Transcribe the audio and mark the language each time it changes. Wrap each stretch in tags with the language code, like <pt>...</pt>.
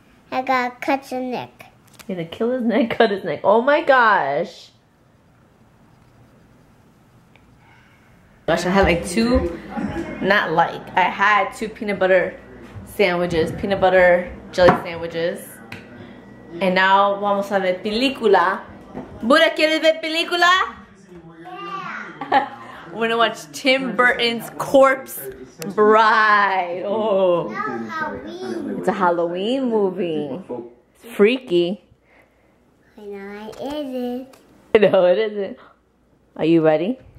<en>I got to cut your neck. You're going to kill his neck, cut his neck. Oh my gosh. Gosh, I had like two, not like, I had two peanut butter sandwiches, peanut butter jelly sandwiches. And now</en> <es>vamos a ver película. Bura, ¿quieres ver película?</es> <en>Yeah. We're gonna watch Tim Burton's Corpse Bride. Oh. It's a Halloween movie. It's freaky. I know it isn't. I know it isn't. Are you ready?</en>